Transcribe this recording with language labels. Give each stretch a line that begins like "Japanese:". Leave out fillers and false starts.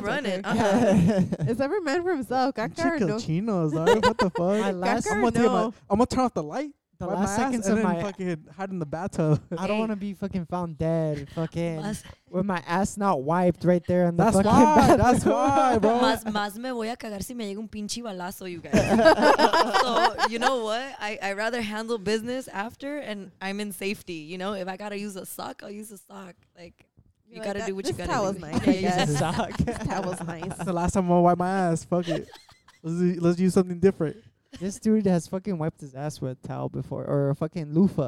English: We run it. It's every man for himself. Chicochinos, dog. What the fuck? I'm going to turn off the light. The last seconds of my fucking hide in the bathtub. I don't want to be fucking found dead fucking with my ass not wiped right there in the fucking bathtub. That's why, bro.
Spanish: Más me voy a cagar si me llega un pinche balazo,
English: you guys. So, you know what? I rather handle business after and I'm in safety, you know? If I got to use a sock, I'll use a sock. Like, you got to do what you got to do. This towel's nice. Yeah, use a sock. This towel's nice. The last time I'm going to wipe my ass, fuck it. Let's use something different. This dude has fucking wiped his ass with a towel before, or a fucking loofah.